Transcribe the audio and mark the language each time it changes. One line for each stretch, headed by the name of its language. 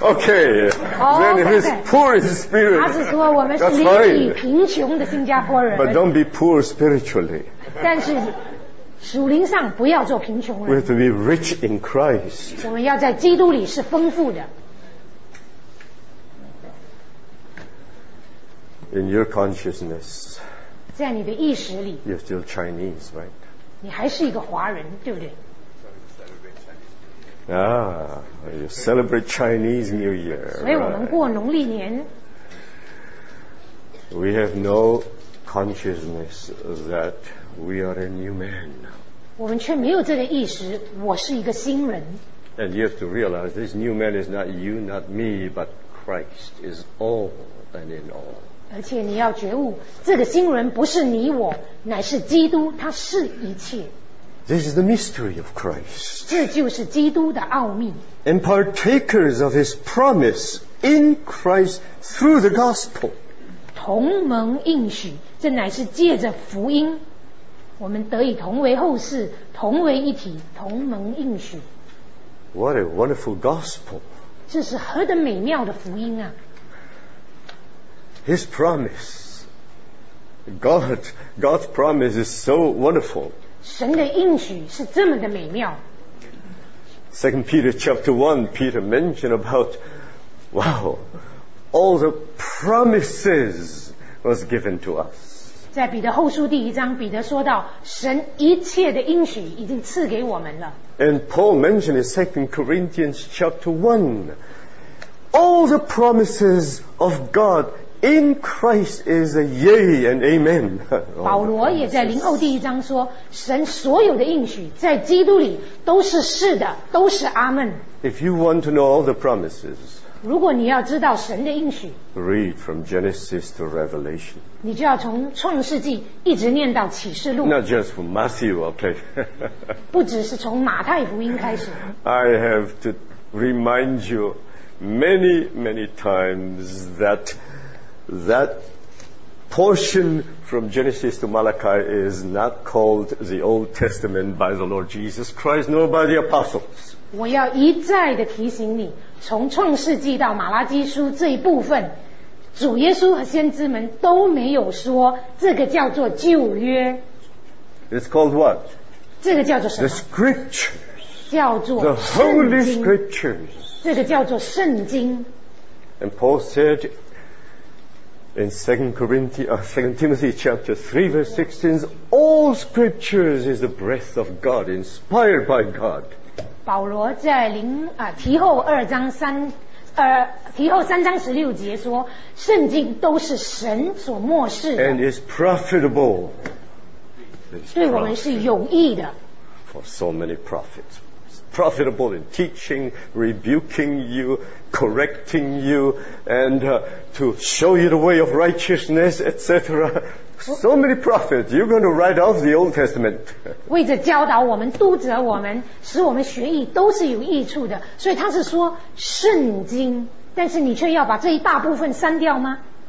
English: Okay, then if it's poor in spirit, that's fine.
Chinese: 他是说我们是邻里贫穷的新加坡人。
English: But don't be poor spiritually.
Chinese: 但是属灵上不要做贫穷人。
English: We have to be rich in Christ.
Chinese: 我们要在基督里是丰富的。
English: In your consciousness.
Chinese: 在你的意识里。
English: You're still Chinese, right?
Chinese: 你还是一个华人，对不对？
English: Ah, you celebrate Chinese New Year.
Chinese: 所以我们过农历年。
English: We have no consciousness that. We are a new man.
Chinese: 我们却没有这个意识，我是一个新人。
English: And you have to realize this new man is not you, not me, but Christ is all and in all.
Chinese: 而且你要觉悟，这个新人不是你我，乃是基督，他是一切。
English: This is the mystery of Christ.
Chinese: 这就是基督的奥秘。
English: And partakers of his promise in Christ through the gospel.
Chinese: 同盟应许，这乃是借着福音。我们得以同为后嗣，同为一体，同盟应许。
English: What a wonderful gospel.
Chinese: 这是何等美妙的福音啊。
English: His promise. God's promise is so wonderful.
Chinese: 神的应许是这么的美妙。
English: 2 Peter chapter 1, Peter mentioned about, wow, all the promises was given to us.
Chinese: 在彼得后书第一章，彼得说到，神一切的应许已经赐给我们了。
English: And Paul mentioned in 2 Corinthians chapter 1, all the promises of God in Christ is a yea and amen.
Chinese: 保罗也在林后第一章说，神所有的应许在基督里都是是的，都是阿们。
English: If you want to know all the promises,
Chinese: 如果你要知道神的应许，
English: read from Genesis to Revelation.
Chinese: 你就要从创世纪一直念到启示录。
English: Not just from Matthew, okay?
Chinese: 不只是从马太福音开始。
English: I have to remind you many, many times that. That portion from Genesis to Malachi is not called the Old Testament by the Lord Jesus Christ, nor by the apostles.
Chinese: 我要一再的提醒你，从创世纪到马拉基书这一部分，主耶稣和先知们都没有说这个叫做旧约。
English: It's called what?
Chinese: 这个叫做什么
English: ？The Scriptures.
Chinese: 叫做圣经。
English: The Holy Scriptures.
Chinese: 这个叫做圣经。
English: And Paul said. In 2 Timothy chapter 3 verse 16, all scriptures is the breath of God, inspired by God.
Chinese: 保罗在提后三章十六节说，圣经都是神所默示的。
English: And is profitable.
Chinese: 对我们是有益的。
English: For so many prophets. Profitable in teaching, rebuking you, correcting you, and to show you the way of righteousness, etc. So many prophets, you're going to write off the Old Testament.
Chinese: 为着教导我们、督责我们、使我们学义，都是有益处的。所以他是说圣经，但是你却要把这一大部分删掉吗？